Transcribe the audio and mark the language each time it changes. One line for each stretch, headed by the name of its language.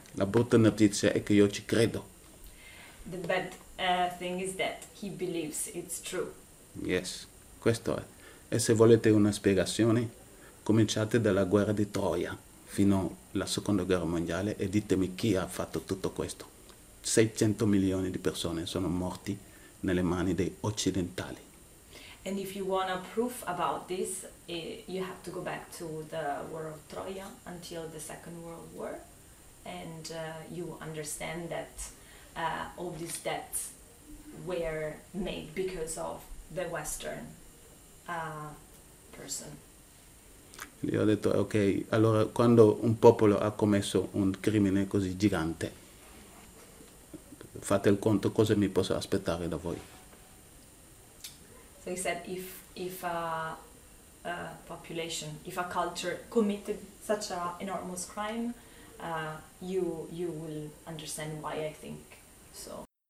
Italian: La brutta notizia è che io ci credo.
English: The bad thing is that he believes it's true. Yes,
Italian: questo è. E se volete una spiegazione, cominciate dalla guerra di Troia fino alla seconda guerra mondiale e ditemi chi ha fatto tutto questo. 600 milioni di persone sono morti nelle mani dei occidentali.
English: And if you want a proof about this, you have to go back to the war of Troia until the Second World War, and you understand that all these deaths were made because of the Western person.
Italian: Gli ho detto, ok, allora quando un popolo ha commesso un crimine così gigante, fate il conto cosa mi posso aspettare da voi.
English: So he said, if a population, if a culture committed such an enormous crime, you will understand why I think so.